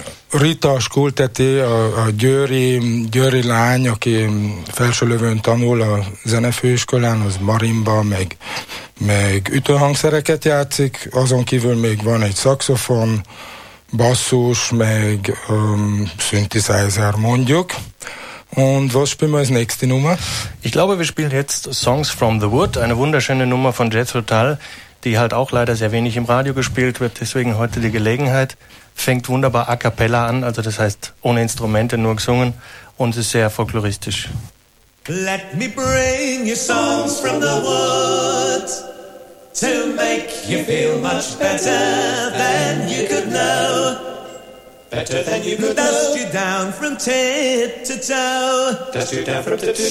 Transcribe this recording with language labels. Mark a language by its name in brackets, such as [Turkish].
[Hungarian] Rita Skulteti, a győri lány, aki Felsőlövön tanul a zenefőiskolán, az marimba, meg ütőhangszereket játszik, azon kívül még van egy szaxofon, basszus, meg synthesizer mondjuk. [German] Und was spielen wir als nächste Nummer? Ich glaube, wir spielen jetzt Songs from the Wood, eine wunderschöne Nummer von Jethro Tull, die halt auch leider sehr wenig im Radio gespielt wird, deswegen heute die Gelegenheit. Fängt wunderbar a cappella an, also das heißt ohne Instrumente, nur gesungen und ist sehr folkloristisch. [English] Let me bring you songs from the wood to make you feel much better than you could know. Better than you could dust know. You down from tip to toe. Dust you down from tip to toe.